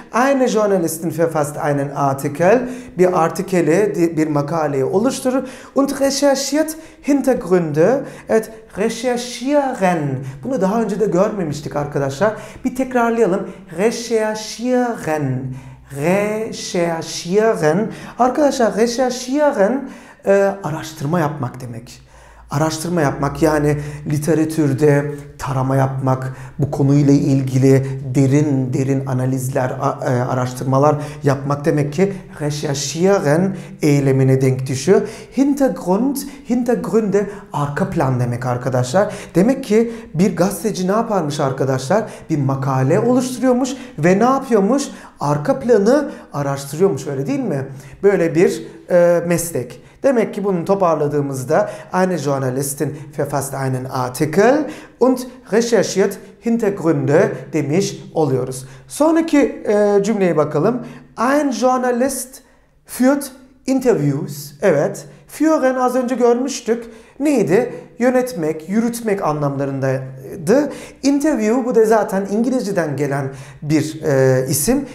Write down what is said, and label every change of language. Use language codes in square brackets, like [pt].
[de] Eine Journalistin verfasst einen Artikel. [tr] Bir artikeli, bir makaleyi oluşturur. [de] Und recherchiert Hintergründe. [tr] Evet, recherchieren. Bunu daha önce de görmemiştik arkadaşlar. Bir tekrarlayalım. [de] Recherchieren. Recherchieren. [tr] Arkadaşlar recherchieren araştırma yapmak demek. Araştırma yapmak yani literatürde tarama yapmak, bu konuyla ilgili derin derin analizler, araştırmalar yapmak demek ki recherchieren eylemine denk düşüyor. Hintergrund, Hintergründe arka plan demek arkadaşlar. Demek ki bir gazeteci ne yaparmış arkadaşlar? Bir makale oluşturuyormuş ve ne yapıyormuş? Arka planı araştırıyormuş, öyle değil mi? Böyle bir meslek. Demek ki bunu toparladığımızda [de] eine Journalistin verfasst einen Artikel und recherchiert Hintergründe [tr] demiş oluyoruz. Sonraki cümleye bakalım. [de] Ein Journalist führt Interviews. [tr] Evet. Führen az önce görmüştük. neydi? Yönetmek, yürütmek anlamlarındaydı. Interview, bu da zaten İngilizceden gelen bir isim.